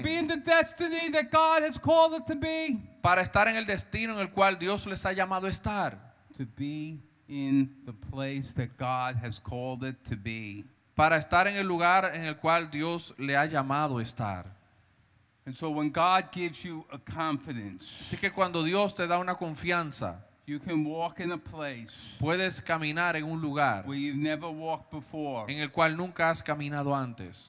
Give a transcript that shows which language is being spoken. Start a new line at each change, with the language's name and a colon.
English: To be in the destiny that God has called it to be.
Spanish: Para estar en el destino en el cual Dios les ha llamado a estar.
English: To be in the place that God has called it to be.
Spanish: Para estar en el lugar en el cual Dios le ha llamado a estar.
English: And so when God gives you a confidence.
Spanish: Así que cuando Dios te da una confianza.
English: You can walk in a place.
Spanish: Puedes caminar en un lugar.
English: Where you've never walked before.
Spanish: En el cual nunca has caminado antes.